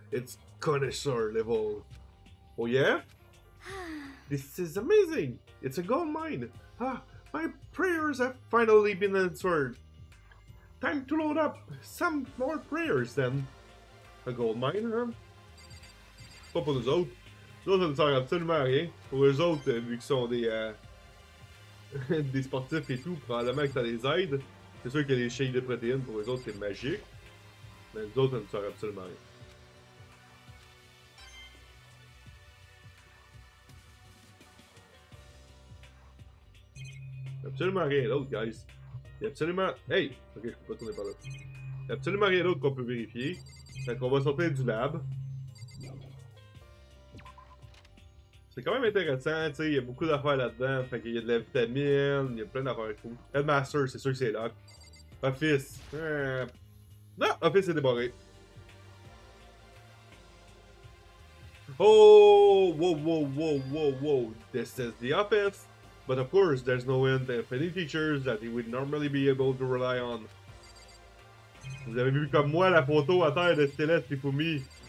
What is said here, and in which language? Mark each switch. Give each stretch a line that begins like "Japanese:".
English: It's connoisseur level. Oh yeah? This is amazing. It's a gold mine. Ah, my prayers have finally been answered. Time to load up some more prayers then. A gold mine, huh?
French: Pas pour nous autres. Nous autres, ça ne sert absolument à rien. Pour eux autres, vu qu'ils sont des sportifs et tout, probablement que ça les aide. C'est sûr que les shakes de protéines, pour eux autres, c'est magique. Mais nous autres, ça ne sert absolument à rien. Absolument rien d'autre, guys. Y'a absolument... Hey! Ok, je peux pas tourner par là. Y'a absolument rien d'autre qu'on peut vérifier. Fait qu'on va sortir du lab. C'est quand même intéressant, tu sais, y'a beaucoup d'affaires là-dedans. Fait qu'il y a de la vitamine, y'a plein d'affaires cool. Headmaster, c'est sûr que c'est lock. Office. Non, Office est débarré.
English: Oh! Whoa. This is the Office. But of course, there's no end of any features that he would normally be able to rely on.
French: Vous avez vu comme moi la photo à terre de Céleste et Fumi.